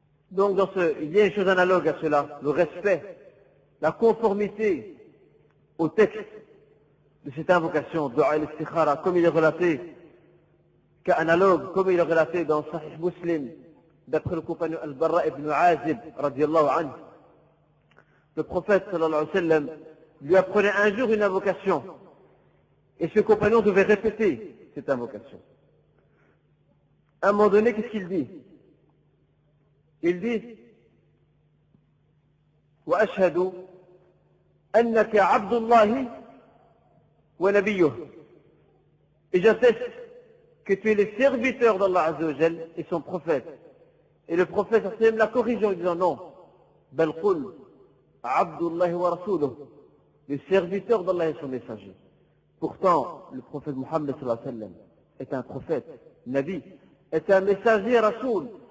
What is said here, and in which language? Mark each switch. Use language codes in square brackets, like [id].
[fr] Donc dans ce, il y a une chose analogue à cela, le respect, la conformité au texte de cette invocation, du'a al-istikhara, comme il est relaté, qu'analogue, comme il est relaté dans Sahih Muslim, d'après le compagnon Al-Barra ibn Azib, radiallahu anhu, le prophète, sallallahu alayhi wa sallam, lui apprenait un jour une invocation, et ce compagnon devait répéter cette invocation. À un moment donné, qu'est-ce qu'il dit? Il dit [ar] وأشهد أنك عبد الله ونبيه [fr] Et j'atteste que tu es le serviteur d'Allah Azzawajal et son prophète. Et le prophète sallam l'a corrigé en disant non. [ar] Balkul, Abdullah wa Rasuluh, [fr] le serviteur d'Allah et son messager. Pourtant, le prophète Mohammed sallallahu alayhi wa sallam est un prophète, Nabi, est un messager Rasul.